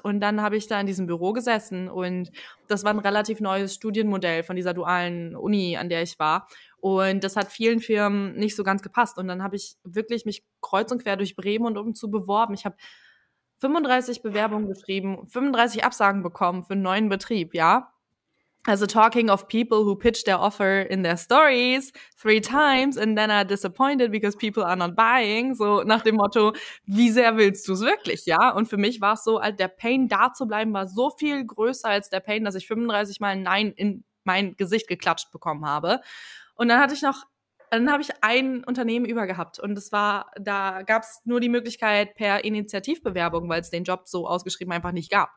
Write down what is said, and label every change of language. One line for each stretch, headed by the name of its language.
German: Und dann habe ich da in diesem Büro gesessen und das war ein relativ neues Studienmodell von dieser dualen Uni, an der ich war. Und das hat vielen Firmen nicht so ganz gepasst. Und dann habe ich wirklich mich kreuz und quer durch Bremen und um zu beworben. Ich habe 35 Bewerbungen geschrieben, 35 Absagen bekommen für einen neuen Betrieb, ja.
English: Also talking of people who pitch their offer in their stories 3 times and then are disappointed because people are not buying.
German: So nach dem Motto, wie sehr willst du es wirklich, ja? Und für mich war es so, der Pain da zu bleiben war so viel größer als der Pain, dass ich 35 Mal ein Nein in mein Gesicht geklatscht bekommen habe. Und dann habe ich ein Unternehmen übergehabt und da gab es nur die Möglichkeit per Initiativbewerbung, weil es den Job so ausgeschrieben einfach nicht gab.